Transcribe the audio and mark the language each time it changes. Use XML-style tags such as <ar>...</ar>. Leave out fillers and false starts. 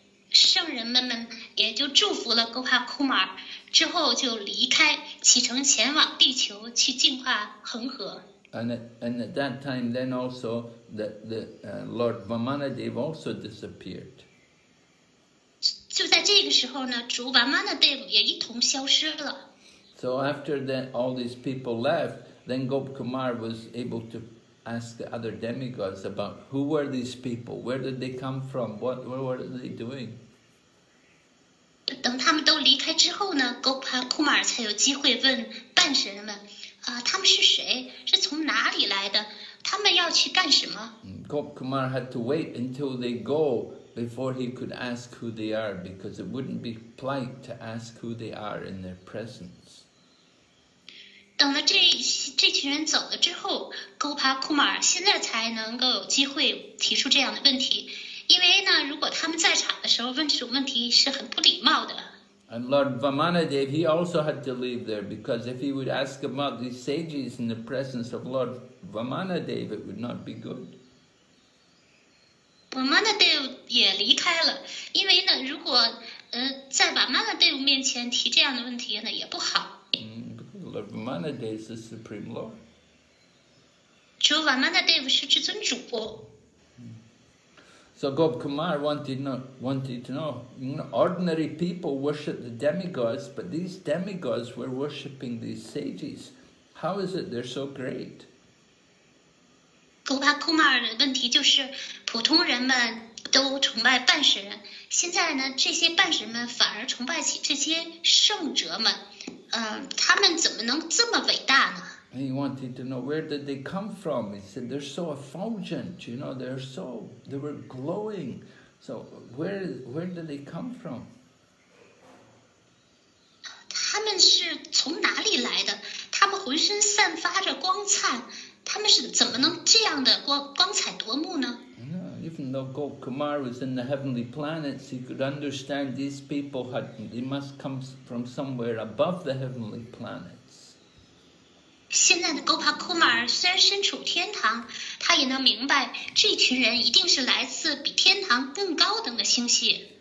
<zh>圣人们们也就祝福了 Gopkumar， 之后就离开，启程前往地球去净化恒河。</zh> <en>And at that time, then also the Lord Vamanadeva also disappeared.</en> <zh>就在这个时候呢，主瓦曼纳德也一同消失了。</zh> <en>So after that, all these people left, then Gopkumar was able to ask the other demigods about who were these people, where did they come from, what were they doing?</en> <zh>等他们都离开之后呢，狗帕库马尔才有机会问半神们，他们是谁？是从哪里来的？他们要去干什么？</zh> <en>Gop Kumar had to wait until they go before he could ask who they are, because it wouldn't be polite to ask who they are in their presence.</en> <zh>等了这群人走了之后， Gopa Kumar 现在才能够有机会提出这样的问题，因为呢，如果他们在场的时候问这种问题是很不礼貌的。</zh> <en>And Lord Vamanadev, he also had to leave there, because if he would ask about these sages in the presence of Lord Vamanadev, it would not be good.</en> <zh>瓦曼纳戴夫也离开了，因为呢，如果在瓦曼纳戴夫面前提这样的问题呢，也不好。</zh> <en>Lord Vamanadev is the supreme lord.</en> <zh>主瓦曼纳戴夫是至尊主。</zh> <en>So Gop Kumar wanted to know, ordinary people worship the demigods, but these demigods were worshipping these sages. How is it they're so great?</en> <zh>古巴库马尔的问题就是，普通人们都崇拜半神，现在呢，这些半神们反而崇拜起这些圣者们，他们怎么能这么伟大呢</zh> <en>？He wanted to know where did they come from. He said they're so effulgent, you know, they were glowing. So where did they come from?</en> <zh>他们是从哪里来的？他们浑身散发着光灿。他们是怎么能这样的 光彩夺目呢</zh> <en>yeah, Even though Gop Kumar was in the heavenly planets, he could understand these people had, they must come from somewhere above the heavenly planets.</en> <zh>现在的 Gopa Kumar 虽然身处天堂，他也能明白这群人一定是来自比天堂更高等的星系。</zh>